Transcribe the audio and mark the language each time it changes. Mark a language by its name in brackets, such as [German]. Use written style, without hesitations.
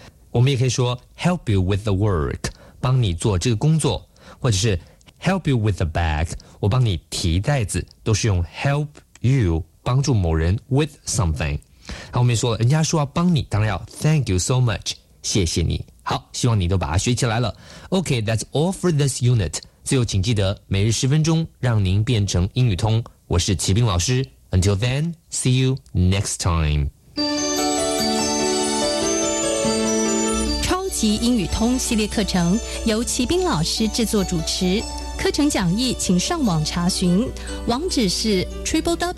[Chinese] 我们也可以说 [English] help you with the work, [Chinese] 帮你做这个工作，或者是 [English] help you with the bag, [Chinese] 我帮你提袋子，都是用 help you, 帮助某人 with something. 好，我们也说了，人家说要帮你，当然要 [English] thank you so much, [Chinese] 谢谢你。好，希望你都把它学起来了。 [English] OK, that's all for this unit. [Chinese] 最后请记得每日十分钟让您变成英语通。我是齐斌老师。 [English] Until then, see you next time. [Chinese] 超级英语通系列课程由齐斌老师制作主持。课程讲义请上网查询。网址是 www.ner.gov.tw。